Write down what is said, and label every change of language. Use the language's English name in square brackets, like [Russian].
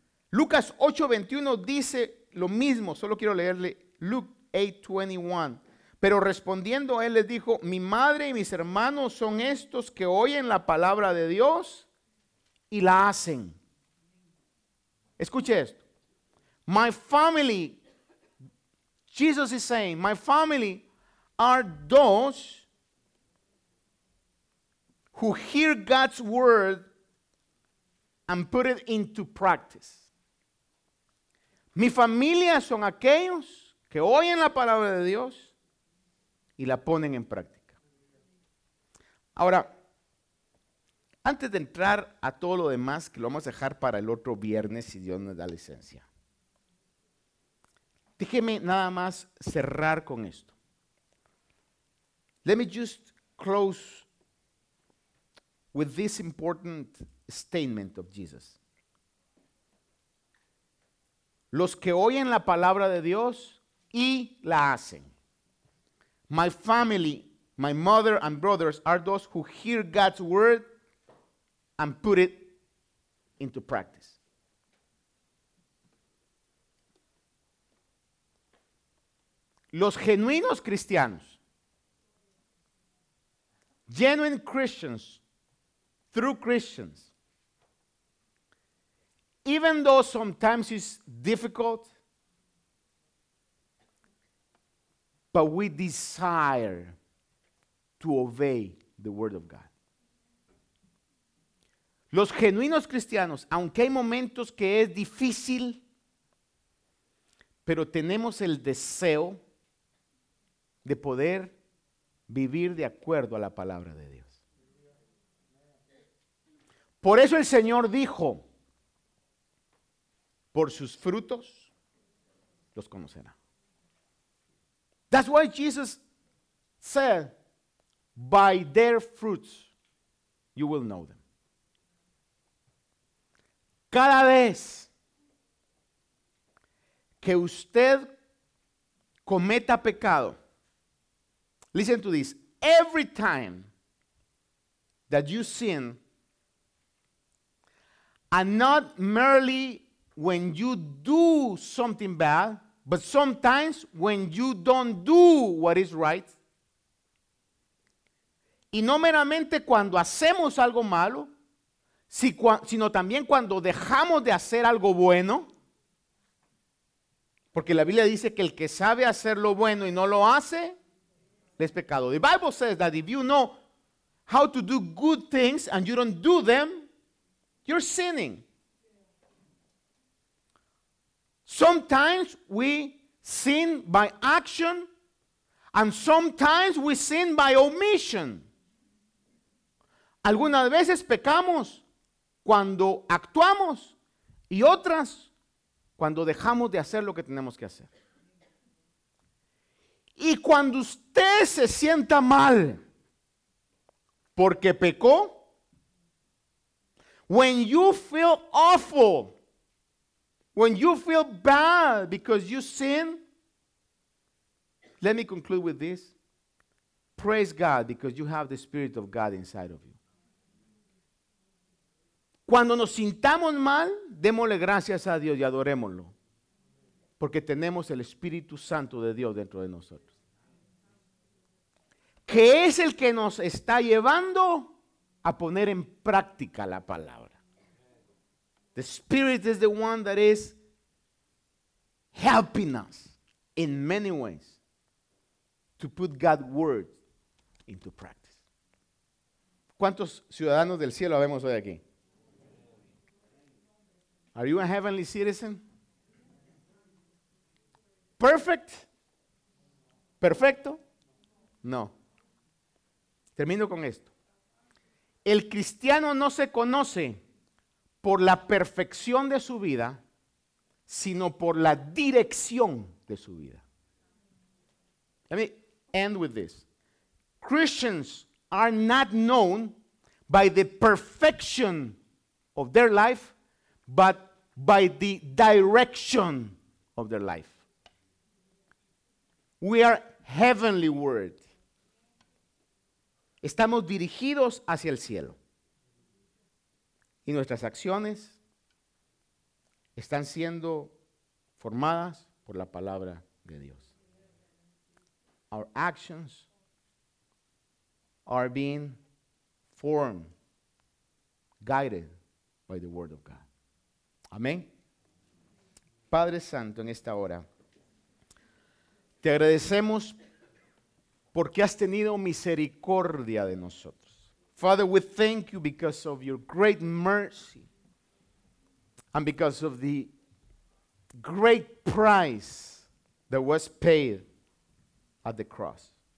[Spanish] Lucas 8:21 dice lo mismo, solo quiero leerle Luke 8:21. Pero respondiendo, él les dijo, mi madre y mis hermanos son estos que oyen la palabra de Dios y la hacen. Escuche esto. [English] My family, Jesus is saying, my family are those who hear God's word and put it into practice. [Spanish] Mi familia son aquellos que oyen la palabra de Dios y la ponen en práctica. Ahora, antes de entrar a todo lo demás, que lo vamos a dejar para el otro viernes, si Dios nos da licencia, déjeme nada más cerrar con esto. [English] Let me just close with this important statement of Jesus. [Spanish] Los que oyen la palabra de Dios y la hacen. [English] My family, my mother and brothers are those who hear God's word and put it into practice. [Spanish] Los genuinos cristianos, [English] genuine Christians, true Christians, even though sometimes it's difficult, but we desire to obey the word of God. [Spanish] Los genuinos cristianos, aunque hay momentos que es difícil, pero tenemos el deseo de poder vivir de acuerdo a la palabra de Dios. Por eso el Señor dijo, por sus frutos los conocerá. [English] That's why Jesus said, by their fruits you will know them. [Spanish] Cada vez que usted cometa pecado, [English] listen to this, every time that you sin, and not merely when you do something bad, but sometimes when you don't do what is right, [Spanish] y no meramente cuando hacemos algo malo, sino también cuando dejamos de hacer algo bueno, porque la Biblia dice que el que sabe hacer lo bueno y no lo hace, es pecado. [English] The Bible says that if you know how to do good things and you don't do them, you're sinning. Sometimes we sin by action, and sometimes we sin by omission. [Spanish] Algunas veces pecamos cuando actuamos, y otras cuando dejamos de hacer lo que tenemos que hacer. Y cuando usted se sienta mal porque pecó, [English] when you feel awful, when you feel bad because you sin, let me conclude with this. Praise God, because you have the Spirit of God inside of you. [Spanish] Cuando nos sintamos mal, démosle gracias a Dios y adorémoslo, porque tenemos el Espíritu Santo de Dios dentro de nosotros, que es el que nos está llevando a poner en práctica la palabra. [English] The Spirit is the one that is helping us in many ways to put God's word into practice. [Spanish] ¿Cuántos ciudadanos del cielo vemos hoy aquí? [English] Are you a heavenly citizen? Perfect? [Spanish] Perfecto? No. Termino con esto. El cristiano no se conoce por la perfección de su vida, sino por la dirección de su vida. [English] Let me end with this. Christians are not known by the perfection of their life, but by the direction of their life. We are heavenly word. [Spanish] Estamos dirigidos hacia el cielo. Y nuestras acciones están siendo formadas por la palabra de Dios. [English] Our actions are being formed, guided by the word of God. [Spanish] Amén. Padre Santo, en esta hora, te agradecemos porque has tenido misericordia de nosotros. [English] Father, we thank you because of your great mercy and because of the great price that was paid at the cross.